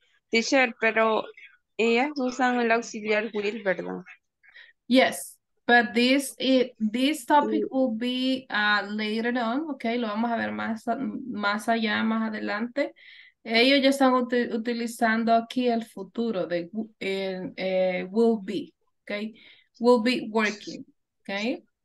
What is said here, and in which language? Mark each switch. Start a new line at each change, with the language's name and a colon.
Spanish: Teacher, pero ellas usan el auxiliar will, ¿verdad?
English: Yes, but this topic will be later on. Okay.
Spanish: Lo vamos a ver más allá, más adelante. Ellos ya están utilizando aquí el futuro de will be, okay?
English: Will be working, okay?